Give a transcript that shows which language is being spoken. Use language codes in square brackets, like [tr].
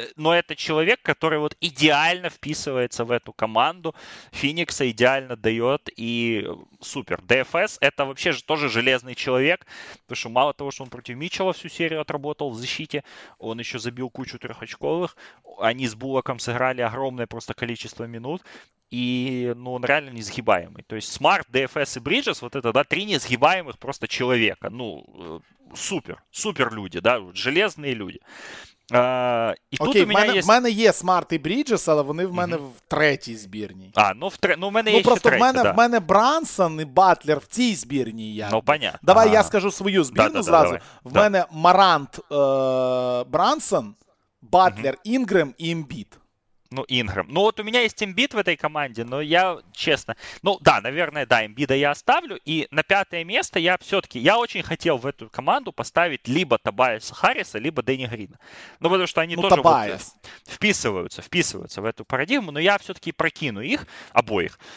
[uk] Ну, це чоловік, який вот ідеально вписується в цю команду. Фінікса ідеально дає. І супер. ДФС – це вообще же теж железний чоловік. Тому що мало того, що він проти Мітчелла всю серію [ru] отработав в защиті, [uk] він ще забив кучу трьохочкових. Вони з Буллоком зіграли [ru] огромне просто количество минут. И, ну, он реально несгибаемый. То есть Smart, DFS и Bridges, вот это, да, три несгибаемых просто человека. Ну, супер, супер люди, да, железные люди. [uk] І тут окей, в мене є Смарт і Бріджес, але вони в мене в третій збірній. А, ну в третій, ну в мене є ну, просто третя, в мене, да. В мене Брансон і Батлер в цій збірній як. Ну, понятно. Давай я скажу свою збірну зразу. Давай. В мене Марант, Брансон, Батлер, Інгрем і Ембіт. [ru] Ну, Ингрэм. Ну, вот у меня есть Эмбиид в этой команде, но я, честно... Ну, да, наверное, да, Эмбиида я оставлю. И на пятое место я все-таки... Я очень хотел в эту команду поставить либо Тобайаса Харриса, либо Дэнни Грина. Ну, потому что они ну, тоже вот, вписываются в эту парадигму. Но я все-таки прокину их, обоих.